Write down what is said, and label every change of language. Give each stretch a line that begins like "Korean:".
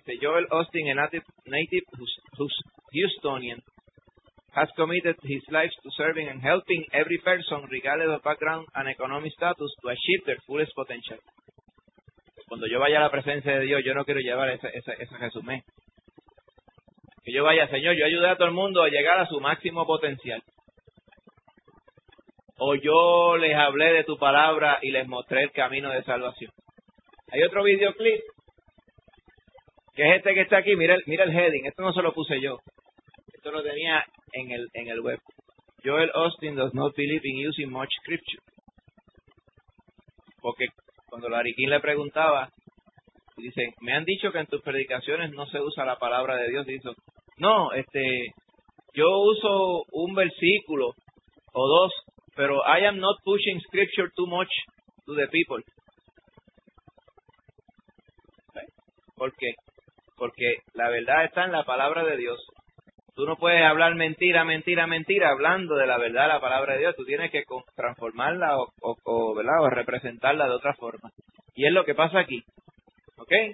English: Dice, Joel Austin, a native Houstonian, has committed his life to serving and helping every person, regardless of background and economic status, to achieve their fullest potential.
Spanish: Cuando yo vaya a la presencia de Dios, yo no quiero llevar ese resumen. Que yo vaya, Señor, yo ayudé a todo el mundo a llegar a su máximo potencial. O yo les hablé de tu palabra y les mostré el camino de salvación. Hay otro videoclip, que es este que está aquí. Mira el
English: heading.
Spanish: Esto no se lo puse yo. Esto lo tenía en el web.
English: Joel Austin does not believe in using much scripture.
Spanish: Porque cuando Larry King le preguntaba, dice, me han dicho que en tus predicaciones no se usa la palabra de Dios. Dice, no, yo uso un versículo o dos. Pero
English: I am not pushing scripture too much to the people.
Spanish: ¿Sí? ¿Por qué? Porque la verdad está en la palabra de Dios. Tú no puedes hablar mentira, hablando de la verdad, la palabra de Dios. Tú tienes que transformarla o representarla de otra forma. Y es lo que pasa aquí. ¿Ok?